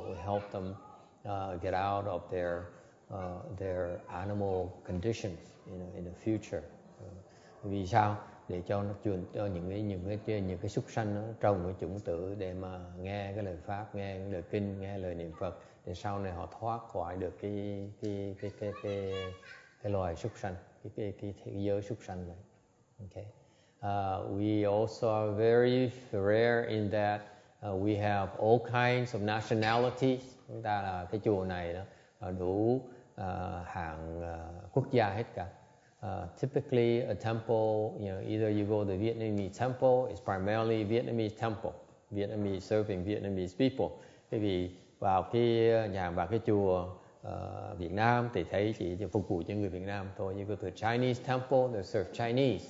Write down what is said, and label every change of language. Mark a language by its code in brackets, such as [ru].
[en] We help them get out of their animal conditions, you know, in the future. [vi] Vì sao? Để cho nó truyền cho những cái súc sanh trồng cái chủng tử để mà nghe cái lời pháp, nghe cái lời kinh, nghe lời niệm Phật, để sau này họ thoát khỏi được cái loài súc sanh, cái thế giới súc sanh này. Okay. [en] We also are very rare in that we have all kinds of nationalities. [vi] Chúng ta là cái chùa này đó đủ hàng quốc gia hết cả. [en] Typically, a temple, you know, either you go to the Vietnamese temple, it's primarily Vietnamese temple, Vietnamese serving Vietnamese people. [vi] Bởi vì vào cái nhà và cái chùa Việt Nam thì thấy chỉ phục vụ cho người Việt Nam thôi. [en] You go to a Chinese temple, they serve Chinese.